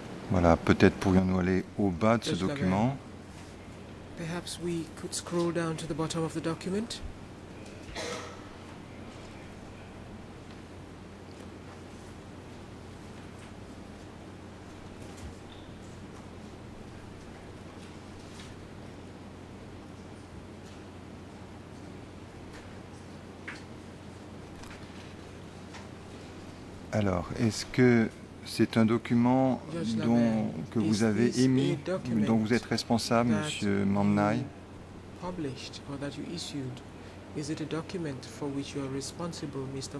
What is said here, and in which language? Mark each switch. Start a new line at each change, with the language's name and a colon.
French: Voilà, peut-être pourrions-nous aller au bas de ce document.
English: Perhaps we could scroll down to the bottom of the document.
French: Alors, est-ce que c'est un document que vous avez émis, dont vous êtes responsable, Monsieur Mam Nai?
English: Published or that you issued? Is it a document for which you are responsible, Mr.